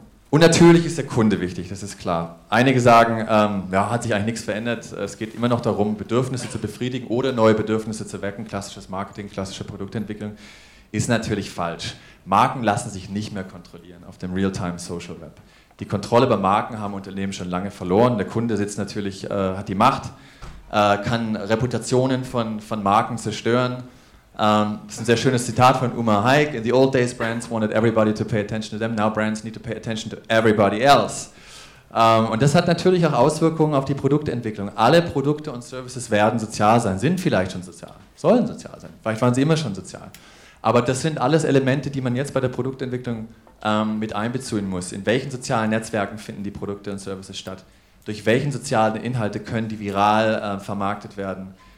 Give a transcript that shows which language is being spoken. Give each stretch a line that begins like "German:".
German: Und natürlich ist der Kunde wichtig, das ist klar. Einige sagen, hat sich eigentlich nichts verändert, es geht immer noch darum, Bedürfnisse zu befriedigen oder neue Bedürfnisse zu wecken, klassisches Marketing, klassische Produktentwicklung, ist natürlich falsch. Marken lassen sich nicht mehr kontrollieren auf dem Real-Time-Social-Web. die Kontrolle bei Marken haben Unternehmen schon lange verloren. Der Kunde sitzt natürlich, hat die Macht, kann Reputationen von Marken zerstören. Das ist ein sehr schönes Zitat von Umar Haig.
English: In the old days, brands wanted everybody to pay attention to them. Now brands need to pay attention to everybody else.
German: Und das hat natürlich auch Auswirkungen auf die Produktentwicklung. Alle Produkte und Services werden sozial sein, sind vielleicht schon sozial, sollen sozial sein. Vielleicht waren sie immer schon sozial. Aber das sind alles Elemente, die man jetzt bei der Produktentwicklung mit einbeziehen muss. In welchen sozialen Netzwerken finden die Produkte und Services statt? Durch welchen sozialen Inhalte können die viral vermarktet werden?